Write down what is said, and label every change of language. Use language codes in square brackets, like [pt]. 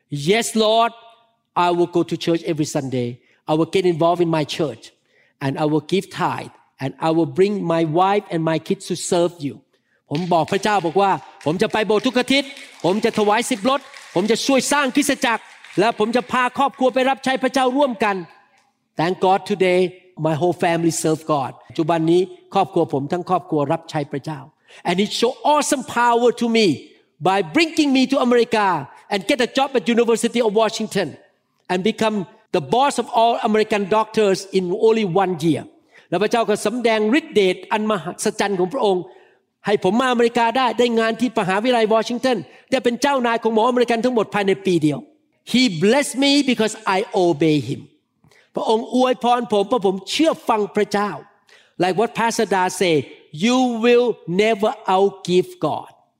[en] Yes Lord I will go to church every Sunday I will get involved in my church and I will give tithe and I will bring my wife and my kids to serve you [th] ผมบอกพระเจ้าบอกว่าผมจะไปโบสถ์ทุกอาทิตย์ผมจะถวายสิบรถผมจะช่วยสร้างคริสตจักรและผมจะพาครอบครัวไปรับใช้พระเจ้าร่วมกัน [en] Thank God today my whole family serve God. [th] ปัจจุบันนี้ครอบครัวผมทั้งครอบครัวรับใช้พระเจ้า [en] And it show awesome power to me by bringing me to America and get a job at University of Washington and become the boss of all American doctors in only 1 year. [th] และพระเจ้าก็สำแดงฤทธิ์เดชอันมหัศจรรย์ของพระองค์ให้ผมมาอเมริกาได้ได้งานที่มหาวิทยาลัยวอชิงตันได้เป็นเจ้านายของหมออเมริกันทั้งหมดภายในปีเดียว [en] He bless me because I obey him [th] พระองค์อวยพรผมเพราะผมเชื่อฟังพระเจ้า [en] Like what Pastor Da say you will never outgive God